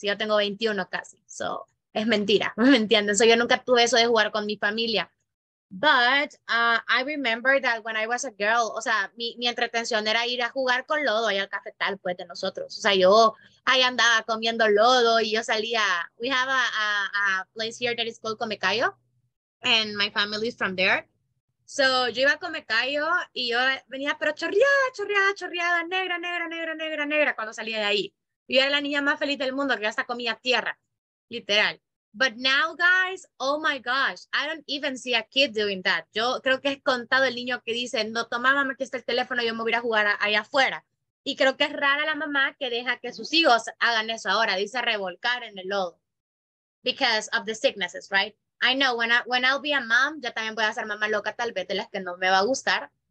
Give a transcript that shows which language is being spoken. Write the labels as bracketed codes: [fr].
[es] Yo tengo 21 casi. So, es mentira, ¿me entienden? So, yo nunca tuve eso de jugar con mi familia. [en] But I remember that when I was a girl, [es] o sea, mi entretención era ir a jugar con lodo ahí al cafetal, pues, de nosotros. O sea, yo ahí andaba comiendo lodo y yo salía. [en] We have a place here that is called Comecayo, and my family is from there. [es] So yo iba a Comecayo y yo venía, pero chorreada, chorreada, chorreada, negra, negra, negra, negra, negra, cuando salía de ahí. Yo era la niña más feliz del mundo, que hasta comía tierra, literal. [en] But now, guys, oh my gosh, I don't even see a kid doing that. [es] Yo creo que es contado el niño que dice, no, toma, mamá, que está el teléfono, yo me voy a jugar allá afuera. Y creo que es rara la mamá que deja que sus hijos hagan eso ahora, dice revolcar en el lodo. [en] Because of the sicknesses, right? I know, when I'll be a mom, [es] yo también voy a ser mamá loca, tal vez, de las que no me va a gustar.